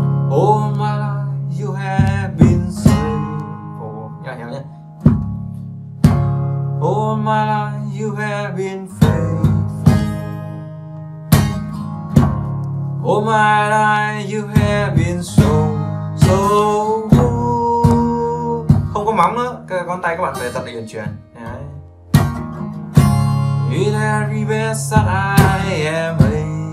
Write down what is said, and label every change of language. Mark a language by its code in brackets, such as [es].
[en] All my life you have been faithful. [vi] Các bạn hiểu nhé. [en] All my life you have been faithful. All my life you have been so, so good. [vi] Không có móng nữa, cái con tay các bạn phải tập để chuyển chuyển. [en] In every best that I am able.